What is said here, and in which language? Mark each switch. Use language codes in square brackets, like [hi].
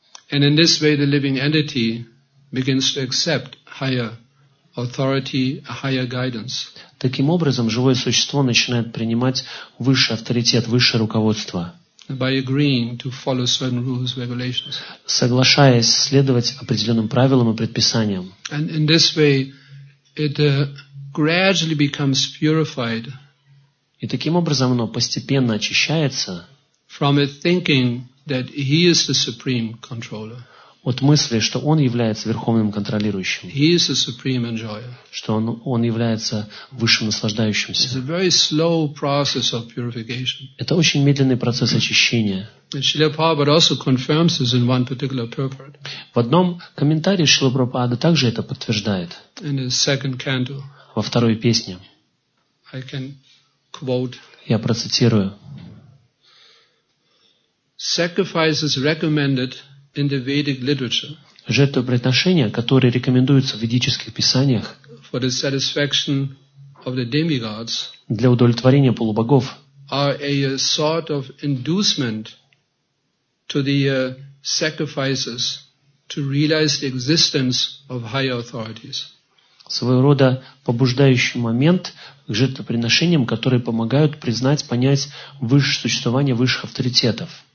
[en] And in this way, the living entity begins to accept higher authority, higher guidance. [ru] Таким образом, живое существо начинает принимать высший авторитет, высшее руководство. [en] By agreeing to follow certain rules, regulations. [ru] Соглашаясь следовать определенным правилам и предписаниям. [en] And in this way, it gradually becomes purified. [ru] И таким образом оно постепенно очищается. [en] From a thinking that he is the supreme controller. [ru] От мысли, что он является верховным контролирующим. [en] He is a supreme enjoyer. [ru] Что он является высшим наслаждающимся. [en] It's a very slow process of purification. [ru] Это очень медленный процесс очищения. [en] And Srila Prabhupada also confirms this in one particular purport. [ru] В одном комментарии Шрила Прабхупада также это подтверждает. [en] In his second canto. [ru] Во второй песне. [en] I can quote. [ru] Я процитирую. [en] Sacrifices recommended in the Vedic literature. [ru] Жертвоприношения, которые рекомендуются в ведических писаниях. [en] For the satisfaction of the demigods. [ru] Для удовлетворения полубогов. [en] Are a sort of inducement to the sacrifices to realize the existence of higher authorities. [ru] Своего рода побуждающий момент к жертвоприношениям, которые помогают признать, понять высшее существование высших авторитетов.